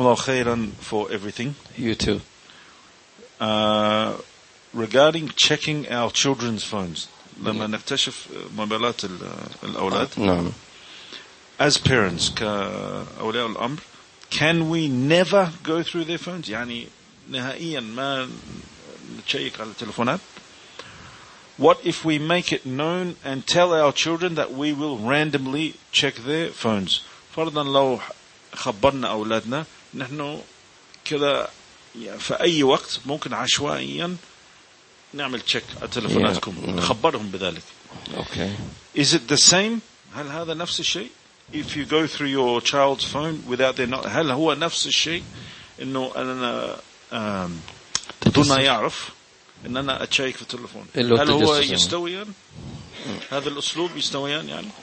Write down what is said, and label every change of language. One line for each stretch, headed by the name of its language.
Arabic: الله خيرا
English: for everything. You too. Regarding checking our children's phones.
Arabic: لما نكتشف موبايلات الأولاد. نعم.
English: As parents,
Arabic: كأولياء الأمر,
English: can we never go through their phones?
Arabic: يعني نهائياً ما نشيك على التلفونات.
English: What if we make it known and tell our children that we will randomly check their phones?
Arabic: فرضاً لو خبرنا أولادنا نحن كذا في أي وقت ممكن عشوائياً نعمل check على تلفوناتكم. Yeah. نخبرهم بذلك.
English: Okay. Is it the same?
Arabic: هل هذا نفس الشيء؟
English: If you go through your child's phone without their knowledge,
Arabic: هل هو نفس الشيء إنه أنا بدون ما يعرف إن أنا أشيك في التلفون؟ هل هو يستويان؟ هذا الأسلوب يستويان يعني؟